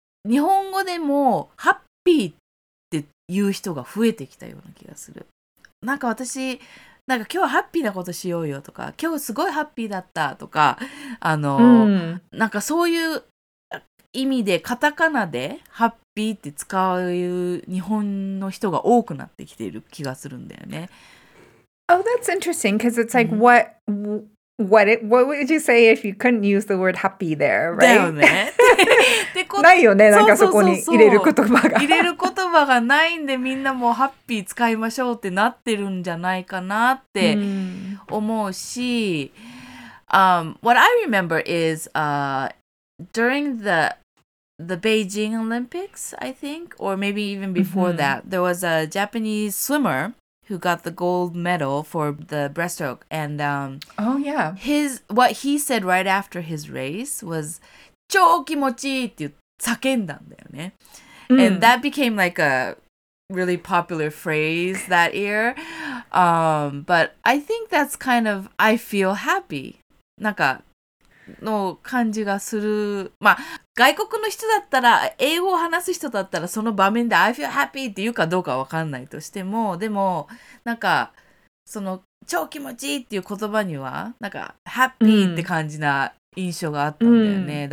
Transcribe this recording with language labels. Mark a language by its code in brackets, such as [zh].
[ja] 日本語でもハッピーって言う人が増えてきたような気がする。なんか私なんか今日はハッピーなことしようよとか、今日すごいハッピーだったとか、なんかそういう意味でカタカナでハッピーって使う日本の人が多くなってきている気がするんだよね。 [en] Oh, that's interesting, because it's like, what would you say if you couldn't use the word happy there, right? [ja] だよね。ないよね、なんかそこに入れる言葉が。入れる言葉がないんで、みんなもうハッピー使いましょうってなってるんじゃないかなって思うし、 [en] what I remember is, during the Beijing Olympics, I think, or maybe even before that, there was a Japanese swimmer who got the gold medal for the breaststroke. And what he said right after his race was, [ja] 超気持ちいいって叫んだんだよね。 [en] And that became like a really popular phrase that year. But I think that's kind of, I feel happy. [ja] なんかの感じがする。まあ、外国の人だったら、英語を話す人だったら、その場面で [en] I feel happy [ja] って言うかどうかわかんないとしても、でも、なんか、その、超気持ちいいっていう言葉には、なんか、happy って感じな印象があったんだよね。